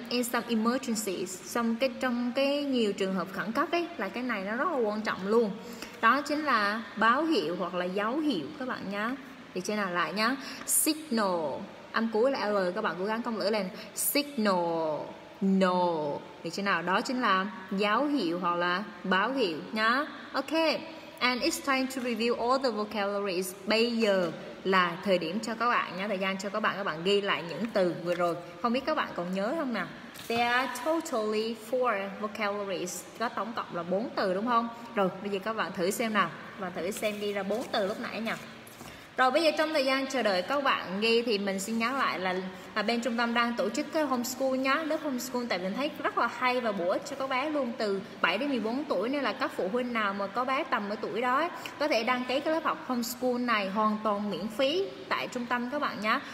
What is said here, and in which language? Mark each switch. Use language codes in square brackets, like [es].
[en] In some emergencies, [vi] trong cái nhiều trường hợp khẩn cấp ấy, là cái này nó rất là quan trọng luôn. Đó chính là báo hiệu hoặc là dấu hiệu các bạn nhá. Thì trên nào lại nhá. Signal, âm cuối là L, các bạn cố gắng công lửa lên. Signal, no. Thì trên nào đó chính là dấu hiệu hoặc là báo hiệu nhá. Ok. [en] And it's time to review all the vocabularies. [vi] Bây giờ là thời điểm cho các bạn nhá, thời gian cho các bạn ghi lại những từ vừa rồi. Không biết các bạn còn nhớ không nào? [en] There are totally 4 vocabularies. [vi] Có tổng cộng là 4 từ đúng không? Rồi, bây giờ các bạn thử xem nào. Và thử xem ghi ra 4 từ lúc nãy nha. Rồi bây giờ trong thời gian chờ đợi các bạn ghi thì mình xin nhắn lại là bên trung tâm đang tổ chức cái homeschool nhá, lớp homeschool, tại mình thấy rất là hay và bổ ích cho các bé luôn, từ 7 đến 14 tuổi, nên là các phụ huynh nào mà có bé tầm ở tuổi đó ấy, có thể đăng ký cái lớp học homeschool này hoàn toàn miễn phí tại trung tâm các bạn nhá.